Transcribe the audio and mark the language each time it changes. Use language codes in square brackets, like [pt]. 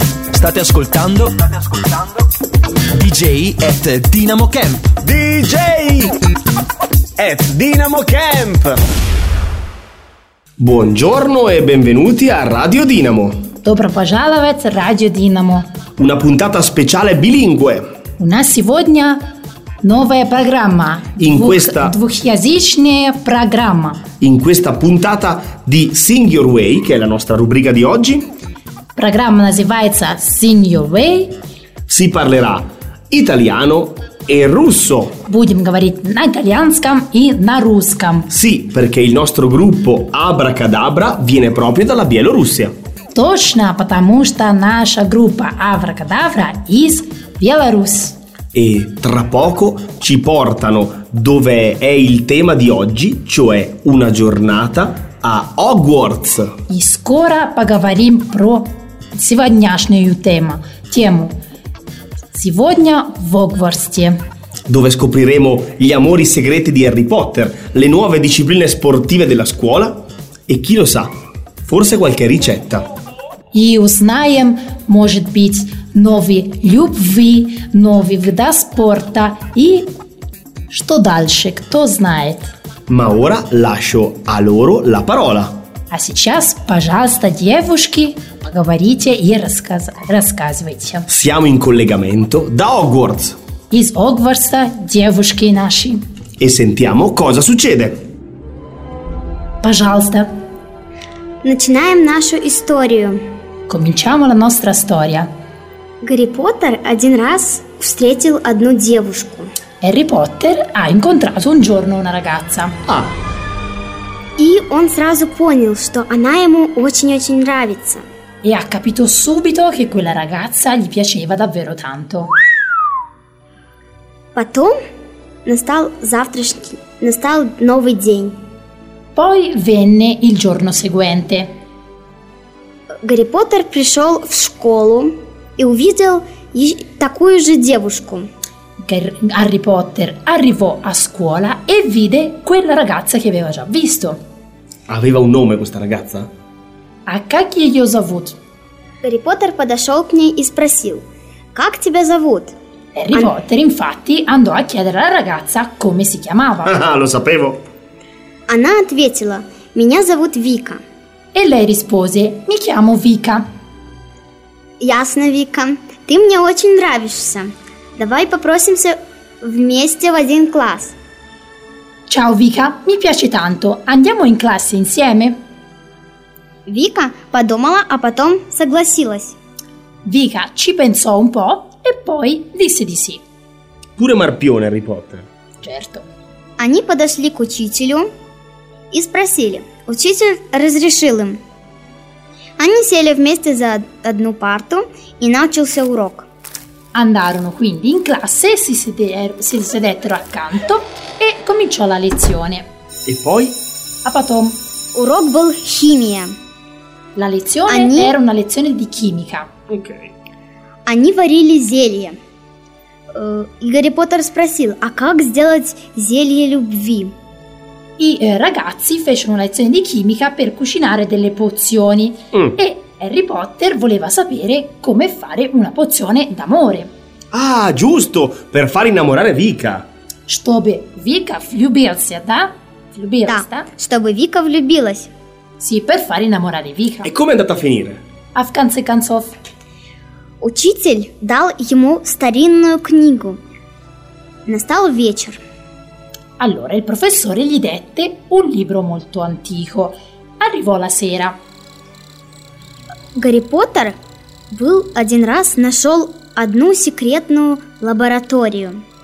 [it] State ascoltando DJ at Dynamo Camp. DJ at Dynamo Camp. Buongiorno e benvenuti a Radio Dynamo. Dobro pozdravljavec, Radio Dynamo. Una puntata speciale bilingue. [ru] У нас сегодня новая программа. Двухязычная программа. [it] In questa puntata di Sing Your Way, che è la nostra rubrica di oggi. [ru] Программа называется Sing Your Way. [it] Si parlerà italiano e russo. [ru] Будем говорить на итальянском и на русском. [it] Sì, perché il nostro gruppo Abracadabra viene proprio dalla Bielorussia. [ru] Точно, потому что наша группа Abracadabra из Беларуси. [it] E tra poco ci portano dove è il tema di oggi, cioè una giornata a Hogwarts. [ru] И скоро поговорим про сегодняшнюю тему. Сегодня в Хогвартсе. [it] Dove scopriremo gli amori segreti di Harry Potter, le nuove discipline sportive della scuola e chi lo sa, forse qualche ricetta. [ru] И узнаем, может быть, новые любви, новые виды спорта и что дальше, кто знает. [it] Ma ora lascio a loro la parola. [ru] А сейчас, пожалуйста, девушки, поговорите и рассказывайте. [it] Siamo in collegamento da Hogwarts. [ru] Из Хогвартса девушки наши. [it] E sentiamo cosa succede. [ru] Пожалуйста. Начинаем нашу историю. [it] Cominciamo la nostra storia. [ru] Гарри Поттер один раз встретил одну девушку. [it] Гарри Поттер ha incontrato un giorno una ragazza. Ah. [ru] И он сразу понял, что она ему очень-очень нравится. [it] E ha capito subito che quella ragazza gli piaceva davvero tanto. [ru] Потом настал завтрашний, настал новый день. [it] Poi venne il giorno seguente. [ru] Гарри Поттер пришел в школу. И увидел такую же девушку. [it] Гарри Поттер arrivò a scuola e vide quella ragazza che aveva già visto. Aveva un nome questa ragazza? [ru] А как ее зовут? Гарри Поттер подошел к ней и спросил: "Как тебя зовут?" [it] Гарри Поттер infatti andò a chiedere alla ragazza come si chiamava. Lo sapevo. [ru] Она ответила: "Меня зовут Вика". [it] E lei rispose: "Mi chiamo Vika". [ru] Ясно, Вика. Ты мне очень нравишься. Давай попросимся вместе в один класс. [it] Чао, Вика. Mi piace tanto. Andiamo in classe insieme. [ru] Вика подумала, а потом согласилась. [it] Вика ci pensò un po' e poi disse di sì. Pure Marpione, Harry Potter. Certo. [ru] Они подошли к учителю и спросили. Учитель разрешил им. Они сели вместе за одну парту и начался урок. [it] Andarono quindi in classe, si sedettero accanto e cominciò la lezione. E poi? [ru] А потом? Урок был химия. [it] La lezione [ru] Они... [it] era una lezione di chimica. Ok. [ru] Они варили зелье. И Гарри Поттер спросил, а как сделать зелье любви? [it] I ragazzi fecero una lezione di chimica per cucinare delle pozioni e Harry Potter voleva sapere come fare una pozione d'amore. Ah, giusto, per far innamorare Vika. [ru] Чтобы Вика влюбился, да? Влюбился? Да, чтобы Вика влюбилась. [it] Sì, per far innamorare Vika. E come è andata a finire? [ru] А в конце концов? Учитель дал ему старинную книгу. Настал вечер. [it] Allora il professore gli dette un libro molto antico. Arrivò la sera. [ru] Гарри Поттер был один раз нашел одну секретную лабораторию.